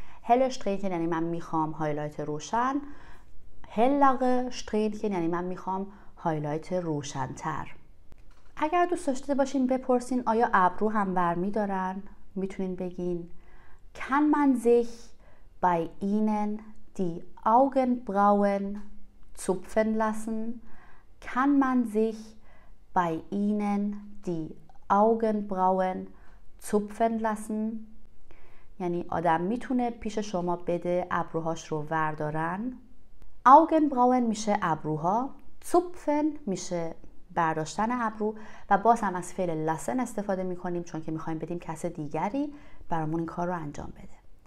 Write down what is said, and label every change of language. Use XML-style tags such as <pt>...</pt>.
<de>helle Strähnchen</de> <fa>یعنی من میخوام هایلایت روشن،</fa> <de>hellere Strähnchen</de> <fa>یعنی من میخوام هایلایت روشن تر. اگر دوست داشته باشین بپرسین آیا ابرو هم برمی دارن، میتونین بگین</fa> <de>kann man sich bei ihnen die Augenbrauen zupfen lassen. kann man sich bei ihnen die Augenbrauen zupfen lassen.</de> <fa>یعنی آدم میتونه پیش شما بده ابروهاش رو وردارن. Augenbrauen میشه ابروها، zupfen میشه برداشتن ابرو، و باز هم از فعل lassen استفاده میکنیم چون که میخوایم بدیم کس دیگری برامون این کار رو انجام بده.</fa>